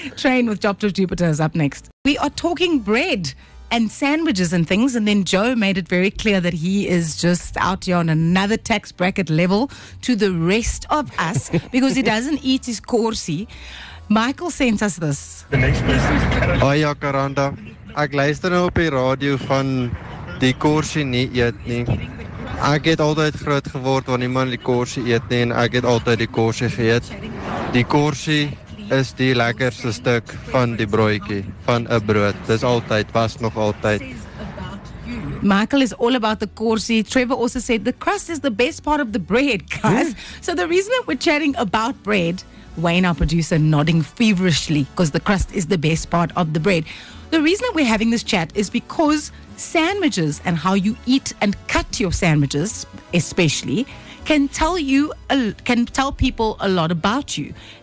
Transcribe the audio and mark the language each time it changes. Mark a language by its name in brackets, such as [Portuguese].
[English] Train with Job to Jupiter is up next. We are talking bread and sandwiches and things, and then Joe made it very clear that he is just out here on another tax bracket level to the rest of us because he doesn't eat his korsie. Michael sent us this. The next person. Hi, Jacaranda. [Afrikaans] Ek luister nou op die radio van die korsie nie eet nie. Ek het altyd groot geword want niemand die korsie eet nie en ek het altyd die korsie geëet. Die korsie is die lekkerste stuk van die broodjie, van 'n brood. Dis altyd, was nog altyd. [English] Michael is all about the korsie. Trevor also said the crust is the best part of the bread, guys. So the reason that we're chatting about bread, Wayne, our producer, nodding feverishly because the crust is the best part of the bread. The reason that we're having this chat is because sandwiches and how you eat and cut your sandwiches, especially, can tell people a lot about you.